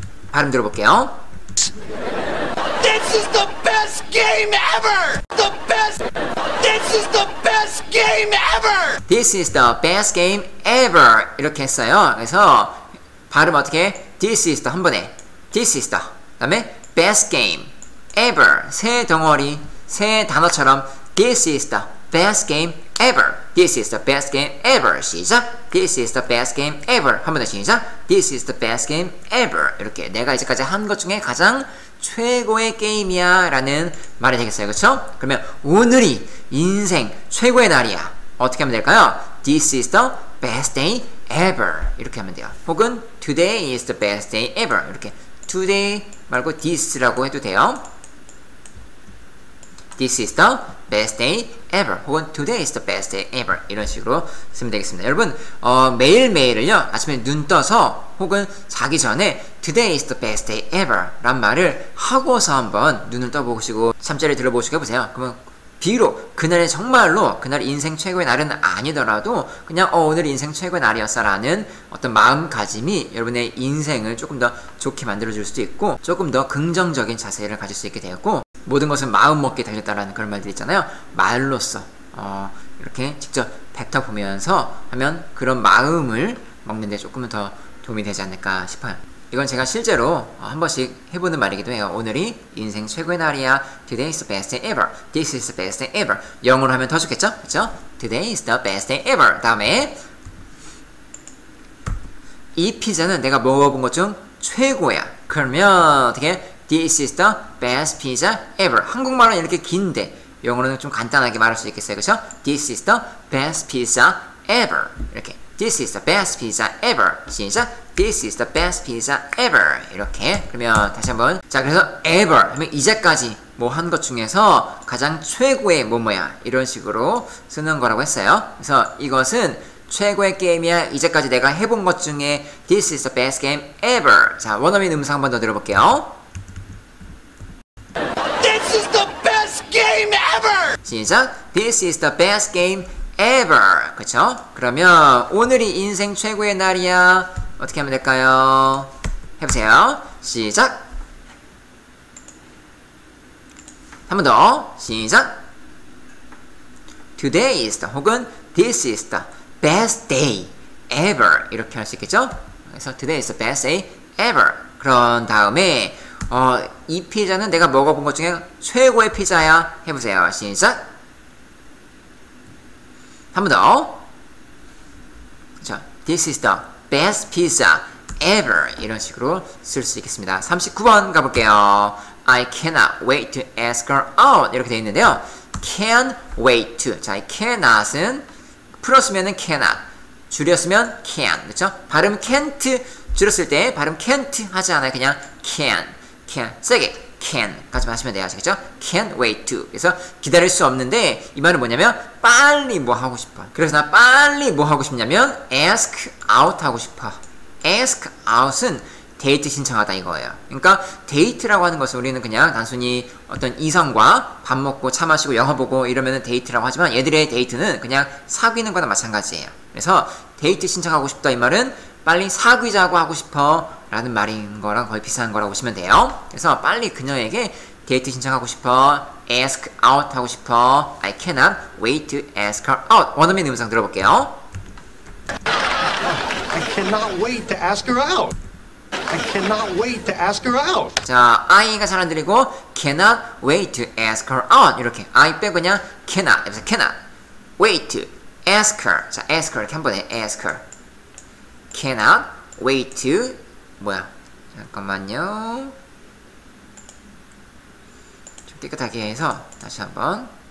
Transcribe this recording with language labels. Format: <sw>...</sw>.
<ko>발음 들어볼게요.</ko> <en>This is the best game ever. The best. This is the best game ever. This is the best game ever.</en> <ko>이렇게 했어요. 그래서 발음 어떻게?</ko> <en>This is the</en> <ko>한 번에.</ko> <en>This is the.</en> <ko>그다음에</ko> <en>best game ever.</en> <ko>세 덩어리, 세 단어처럼</ko> <en>This is the best game ever. This is the best game ever.</en> <ko>시작.</ko> <en>This is the best game ever.</en> <ko>한 번 더 시작.</ko> <en>This is the best game ever.</en> <ko>이렇게 내가 이제까지 한 것 중에 가장 최고의 게임이야 라는 말이 되겠어요. 그렇죠? 그러면 오늘이 인생 최고의 날이야. 어떻게 하면 될까요?</ko> <en>This is the best day ever.</en> <ko>이렇게 하면 돼요. 혹은</ko> <en>today is the best day ever.</en> <ko>이렇게 today 말고 this라고 해도 돼요.</ko> <en>This is the best day ever.</en> <ko>혹은</ko> <en>today is the best day ever.</en> <ko>이런 식으로 쓰면 되겠습니다. 여러분, 매일매일을요, 아침에 눈 떠서 혹은 자기 전에</ko> <en>today is the best day ever</en> <ko>란 말을 하고서 한번 눈을 떠보시고 잠자리 들어보시고 해보세요. 그러면 비록 그날이 정말로 그날 인생 최고의 날은 아니더라도 그냥 오늘 인생 최고의 날이었어 라는 어떤 마음가짐이 여러분의 인생을 조금 더 좋게 만들어줄 수도 있고 조금 더 긍정적인 자세를 가질 수 있게 되었고 모든 것은 마음먹기에 달렸다라는 그런 말들 있잖아요. 말로써 이렱 직접 뱉어보면서 하면 그런 마음을 먹는 데 조금 더 도움이 되지 않을까 싶어요. 이건 제가 실제로 한 번씩 해보는 말이기도 해요. 오늘이 인생 최고의 날이야.</ko> <en>Today is the best day ever. This is the best day ever.</en> <ko>영어로 하면 더 좋겠죠? 그렇죠?</ko> <en>Today is the best day ever.</en> <ko>다음에 이 피자는 내가 먹어본 것 중 최고야. 그러면 어떻게?</ko> <en>This is the best pizza ever.</en> <ko>한국말은 이렇게 긴데 영어로는 좀 간단하게 말할 수 있겠어요. 그렇죠?</ko> <en>This is the best pizza ever.</en> <ko>이렇게</ko> <en>This is the best pizza ever.</en> <ko>진짜?</ko> <en>This is the best pizza ever.</en> <ko>이렇게 그러면 다시 한번 자 그래서 ever 하면 이제까지 뭐 한 것 중에서 가장 최고의 뭐뭐야 이런 식으로 쓰는 거라고 했어요. 그래서 이것은 최고의 게임이야. 이제까지 내가 해본 것 중에</ko> <en>This is the best game ever.</en> <ko>자 원어민 음성 한번 더 들어볼게요.</ko> <en>This is the best game ever.</en> <ko>시작.</ko> <en>This is the best game ever.</en> <ko>그렇죠? 그러면 오늘이 인생 최고의 날이야. 어떻게 하면 될까요? 해보세요. 시작. 한 번 더. 시작.</ko> <en>Today is the</en> <ko>혹은</ko> <en>This is the best day ever.</en> <ko>이렇게 할 수 있겠죠? 그래서</ko> <en>Today is the best day ever.</en> <ko>그런 다음에 이 피자는 내가 먹어본 것 중에 최고의 피자야. 해보세요. 시작. 한 번 더. 그렇죠.</ko> <en>This is the best pizza ever.</en> <ko>이런 식으로 쓸 수 있겠습니다. 39번 가볼게요.</ko> <en>I cannot wait to ask her out.</en> <ko>이렇게 되어 있는데요.</ko> <en>Can wait to.</en> <ko>자, cannot은 풀었으면 cannot. 줄였으면 can. 그렇죠? 발음 can't 줄였을 때 발음 can't 하지 않아요. 그냥 can. Can 세게 can까지 하시면 돼요. 아시겠죠?</ko> <en>Can't wait to.</en> <ko>그래서 기다릴 수 없는데 이 말은 뭐냐면 빨리 뭐 하고 싶어. 그래서 나 빨리 뭐 하고 싶냐면 ask out 하고 싶어. Ask out은 데이트 신청하다 이거예요. 그러니까 데이트라고 하는 것은 우리는 그냥 단순히 어떤 이성과 밥 먹고 차 마시고 영화 보고 이러면은 데이트라고 하지만 얘들의 데이트는 그냥 사귀는 거나 마찬가지예요. 그래서 데이트 신청하고 싶다 이 말은 빨리 사귀자고 하고 싶어 라는 말인 거랑 거의 비슷한 거라고 보시면 돼요. 그래서 빨리 그녀에게 데이트 신청하고 싶어, ask out 하고 싶어,</ko> <en>I cannot wait to ask her out.</en> <ko>원어민 음성 들어볼게요.</ko> <en>I cannot wait to ask her out. I cannot wait to ask her out. 자,</en> <ko>I가 사람들이고</ko> <en>cannot wait to ask her out.</en> <ko>이렇게 I 빼고 그냥 cannot. 여기서</ko> <en>cannot wait to ask her. 자, ask her</en> <ko>이렇게 한 번에</ko> <en>ask her. Cannot wait to</en> <ko>뭐야? 잠깐만요. 좀 깨끗하게 해서 다시 한번.</ko>